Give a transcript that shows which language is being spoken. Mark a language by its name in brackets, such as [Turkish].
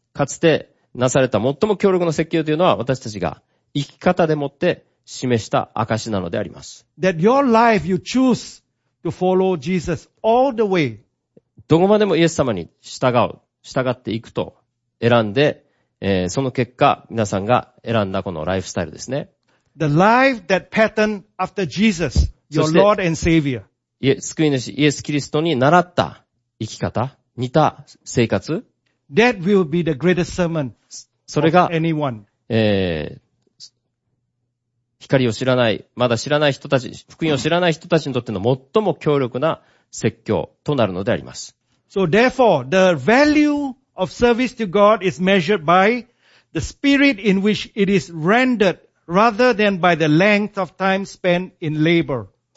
[Japanese] かつてなされた最も強力な説教というのは、私たちが生き方でもって示した証なのであります。 [English] That your life you choose to follow Jesus all the way. [Japanese] どこまでもイエス様に従う、従っていくと、選んで、その結果、皆さんが選んだこのライフスタイルですね。 [English] The life that patterned after Jesus, your Lord and Savior. [Japanese] 救い主、イエス・キリストに習った生き方、似た生活。 [English] That will be the greatest sermon. [Japanese] それが、 [English] anyone. [Japanese] 光を知らない、まだ知らない人たち、福音を知らない人たちにとっての最も強力な説教となるのであります。 [English] So therefore, the valueOf service to God is measured by the spirit in which it is rendered rather than by the length of time spent in labor.